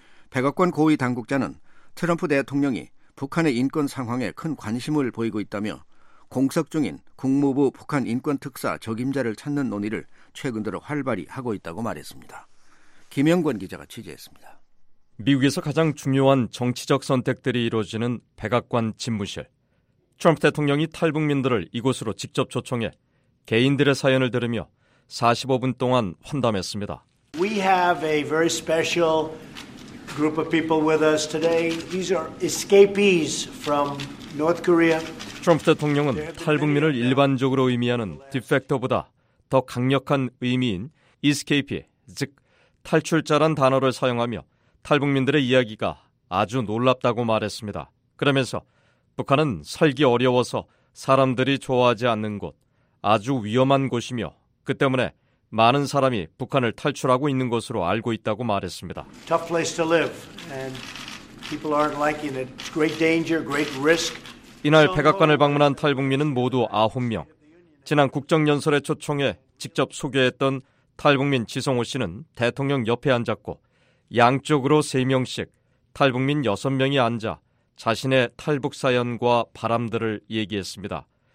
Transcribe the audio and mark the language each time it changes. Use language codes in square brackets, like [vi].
[ko] 백악관 고위 당국자는 트럼프 대통령이 북한의 인권 상황에 큰 관심을 보이고 있다며 공석 중인 국무부 북한 인권특사 적임자를 찾는 논의를 최근 들어 활발히 하고 있다고 말했습니다. 김영권 기자가 취재했습니다. 미국에서 가장 중요한 정치적 선택들이 이루어지는 백악관 집무실. 트럼프 대통령이 탈북민들을 이곳으로 직접 초청해 개인들의 사연을 들으며 45분 동안 환담했습니다. [en] We have a very special group of people with us today. These are escapees from North Korea. [ko] 트럼프 대통령은 탈북민을 일반적으로 의미하는 defector보다 더 강력한 의미인 escapee, 즉 탈출자란 단어를 사용하며 탈북민들의 이야기가 아주 놀랍다고 말했습니다. 그러면서 북한은 살기 어려워서 사람들이 좋아하지 않는 곳, 아주 위험한 곳이며 그 때문에 많은 사람이 북한을 탈출하고 있는 것으로 알고 있다고 말했습니다. [en] Tough place to live and people aren't liking it. Great danger, great risk. [ko] 이날 백악관을 방문한 탈북민은 모두 9명. 지난 국정연설에 초청해 직접 소개했던 탈북민 지성호 씨는 대통령 옆에 앉았고 양쪽으로 3명씩 탈북민 6명이 앉아 자신의 탈북 사연과 바람들을 얘기했습니다.